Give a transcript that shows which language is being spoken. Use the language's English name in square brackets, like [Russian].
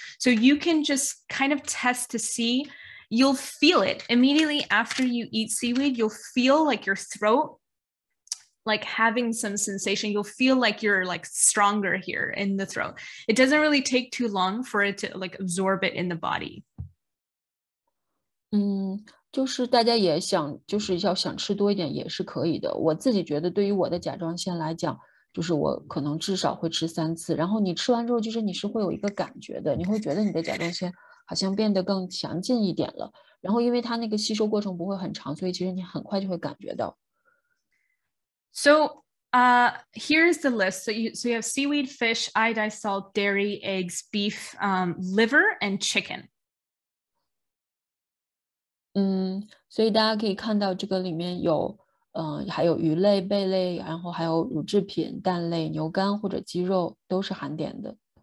[English] So you can just kind of test to see. You'll feel it immediately after you eat seaweed. You'll feel like your throat, like having some sensation. You'll feel like you're like stronger here in the throat. It doesn't really take too long for it to like absorb it in the body. [Chinese] 就是大家也想，就是要想吃多一点也是可以的。我自己觉得对于我的甲状腺来讲，就是我可能至少会吃三次。然后你吃完之后，就是你是会有一个感觉的，你会觉得你的甲状腺好像变得更强劲一点了，然后因为它那个吸收过程不会很长，所以其实你很快就会感觉到。 [English] So, here's the list. So you have seaweed, fish, iodized salt, dairy, eggs, beef, liver, and chicken. [Chinese] 所以大家可以看到这个里面有，还有鱼类、贝类，然后还有乳制品、蛋类、牛肝或者鸡肉，都是含碘的。